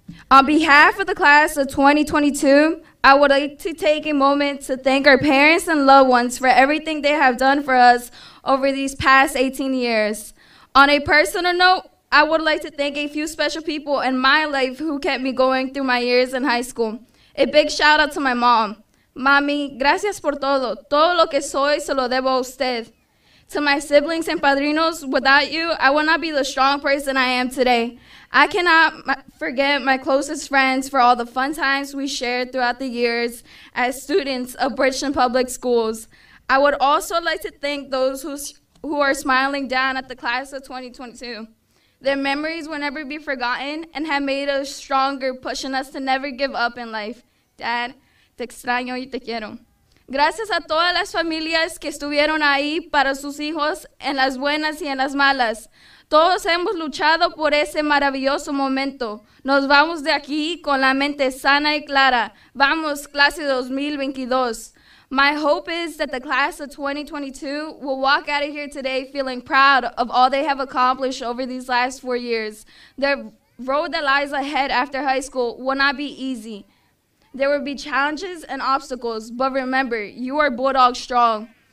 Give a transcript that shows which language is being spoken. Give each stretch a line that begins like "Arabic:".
English: On behalf of the class of 2022, I would like to take a moment to thank our parents and loved ones for everything they have done for us over these past 18 years. On a personal note, I would like to thank a few special people in my life who kept me going through my years in high school. A big shout out to my mom.
Spanish: Mami, gracias por todo. Todo lo que soy se lo debo a usted.
English: To my siblings and padrinos, without you, I would not be the strong person I am today. I cannot forget my closest friends for all the fun times we shared throughout the years as students of Bridgeton Public Schools. I would also like to thank those who are smiling down at the class of 2022. Their memories will never be forgotten and have made us stronger, pushing us to never give up in life.
Spanish: Dad, te extraño y te quiero. Gracias a todas las familias que estuvieron ahí para sus hijos en las buenas y en las malas. Todos hemos luchado por ese maravilloso momento. Nos vamos de aquí con la mente sana y clara. Vamos, clase 2022.
English: My hope is that the class of 2022 will walk out of here today feeling proud of all they have accomplished over these last 4 years. Their road that lies ahead after high school will not be easy. There will be challenges and obstacles, but remember, you are Bulldog strong.